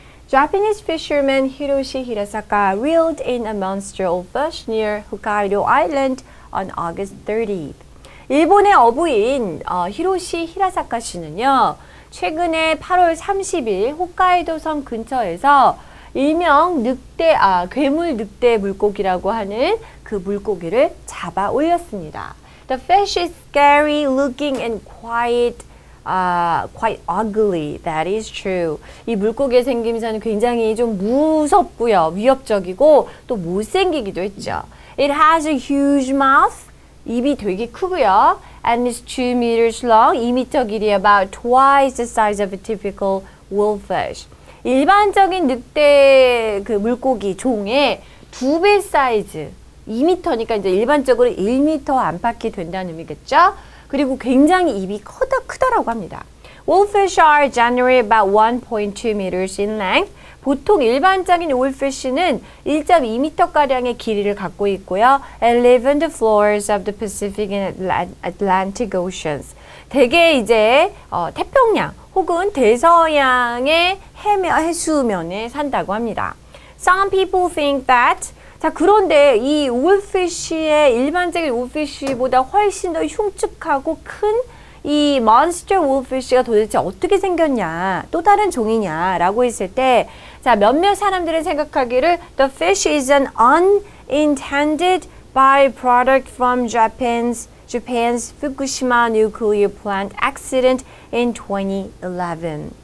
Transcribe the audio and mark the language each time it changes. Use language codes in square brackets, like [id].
[en] Japanese fisherman Hiroshi Hirasaka reeled in a monster wolfish near Hokkaido Island on August 30th. [ko] 일본의 어부인 히로시 히라사카 씨는요, 최근에 8월 30일 홋카이도 섬 근처에서 일명 괴물 늑대 물고기라고 하는 그 물고기를 잡아 올렸습니다. [en] The fish is scary looking and quite ugly. That is true. [ko] 이 물고기의 생김새는 굉장히 좀 무섭고요. 위협적이고 또 못생기기도 했죠. [en] It has a huge mouth. [ko] 입이 되게 크고요. [en] And is 2 meters long. [ko] 2m 길이 [en] about twice the size of a typical wolfish. [ko] 일반적인 늑대 그 물고기 종의 두 배 사이즈 2m니까 이제 일반적으로 1m 안팎이 된다는 의미겠죠? 그리고 굉장히 입이 크다라고 합니다. [en] Wolfish are generally about 1.2 meters in length. [ko] 보통 일반적인 wolfish는 1.2m가량의 길이를 갖고 있고요. [en] And live in the floors of the Pacific and Atlantic Oceans. [ko] 대개 이제 태평양 혹은 대서양의 해수면에 산다고 합니다. [en] Some people think that [ko] 자, 그런데 이 wolfish의 일반적인 wolfish보다 훨씬 더 흉측하고 큰 이 monster wolfish가 도대체 어떻게 생겼냐, 또 다른 종이냐 라고 했을 때 자, 몇몇 사람들은 생각하기를 [en] The fish is an unintended byproduct from Japan's Fukushima nuclear plant accident in 2011.